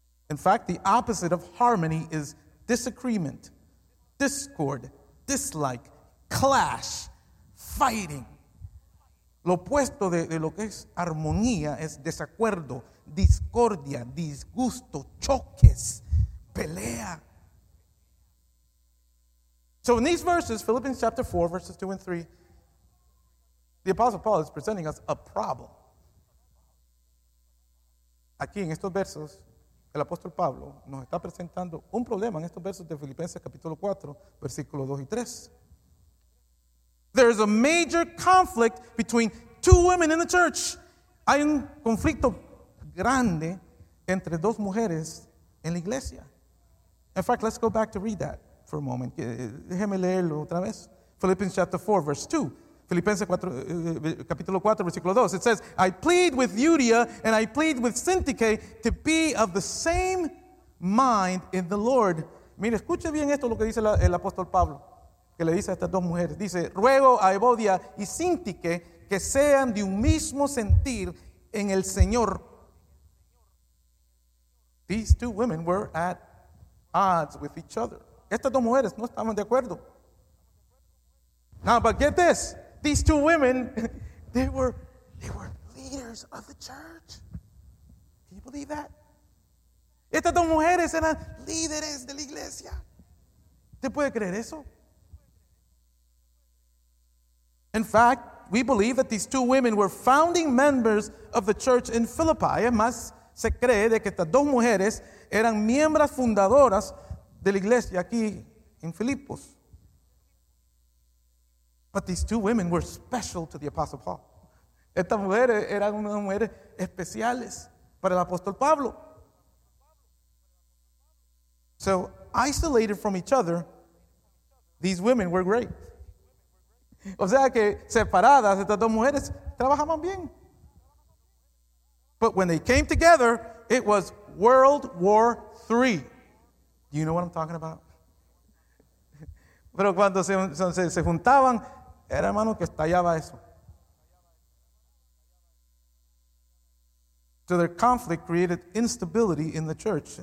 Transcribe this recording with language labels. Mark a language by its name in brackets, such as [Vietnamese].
[English] In fact, the opposite of harmony is disagreement, discord, dislike, clash, fighting. [Spanish] Lo opuesto de lo que es armonía es desacuerdo, discordia, disgusto, choques, pelea. [English] So in these verses, Philippians chapter 4, verses 2 and 3, the Apostle Paul is presenting us a problem. [Spanish] Aquí en estos versos, el apóstol Pablo nos está presentando un problema en estos versos de Filipenses capítulo 4, versículos 2 y 3. [English] There is a major conflict between two women in the church. [Spanish] Hay un conflicto grande entre dos mujeres en la iglesia. [English] In fact, let's go back to read that for a moment. [Spanish] Déjeme leerlo otra vez. [English] Philippians chapter 4, verse 2. [Spanish] Filipenses capítulo 4, versículo 2. [English] It says, I plead with Eudia and I plead with Syntyche to be of the same mind in the Lord. [Spanish] Mire, escuche bien esto lo que dice el apóstol Pablo, que le dice a estas dos mujeres. Dice, ruego a Eudia y Syntyche que sean de un mismo sentir en el Señor. [English] These two women were at odds with each other. [Spanish] Estas dos mujeres no estaban de acuerdo. [English] Now, but get this. These two women, they were leaders of the church. Can you believe that? [Spanish] Estas dos mujeres eran líderes de la iglesia. ¿Te puede creer eso? [English] In fact, we believe that these two women were founding members of the church in Philippi. [Spanish] Además, se cree de que estas dos mujeres eran miembros fundadoras de la iglesia aquí en Filipos. [English] But these two women were special to the Apostle Paul. [Spanish] Estas mujeres eran unas mujeres especiales para el apóstol Pablo. [English] So, isolated from each other, these women were great. [Spanish] O sea que separadas, estas dos mujeres trabajaban bien. [English] But when they came together, it was World War III. Do you know what I'm talking about? [Spanish] Pero cuando se juntaban, era hermano que estallaba eso. [English] So their conflict created instability in the church.